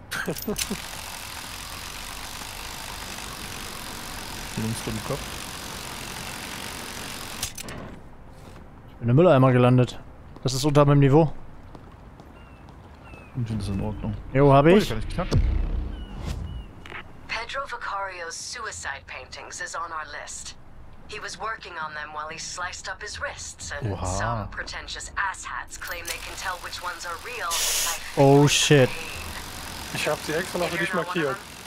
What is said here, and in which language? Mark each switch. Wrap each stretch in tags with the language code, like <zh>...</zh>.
<de>Links vor dem Kopf. Ich bin in der Mülleimer gelandet. Das ist unter meinem Niveau. Ich finde das in Ordnung. Jo, hab ich. Kann ich knacken.</de> <en>Pedro Vicario's suicide paintings is on our list. He was working on them while he sliced up his wrists and Oha. Some pretentious asshats claim they can tell which ones are real. Oh shit.</en> <de>Ich hab die extra noch für dich markiert.</de>